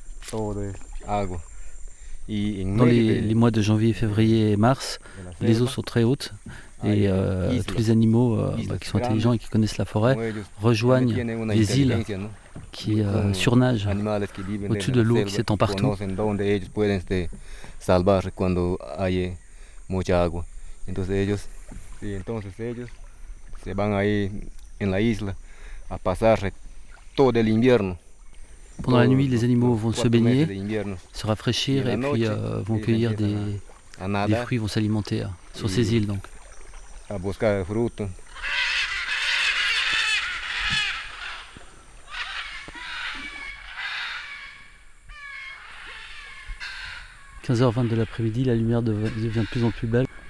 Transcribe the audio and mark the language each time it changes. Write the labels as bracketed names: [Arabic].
[Spanish] Todo es agua. [French] Dans les mois de janvier, février et mars, les eaux sont très hautes et tous les animaux qui sont intelligents et qui connaissent la forêt rejoignent les îles qui surnagent au-dessus de l'eau qui s'étend partout. [Spanish] Donde ellos pueden se salvar cuando hay mucha agua. Entonces ellos, sí, entonces ellos se van ahí en la isla a pasar todo el invierno. [French] Pendant la nuit, les animaux vont se baigner, se rafraîchir et puis vont cueillir des fruits, vont s'alimenter sur ces îles. Donc. À 15h20 de l'après-midi, la lumière devient de plus en plus belle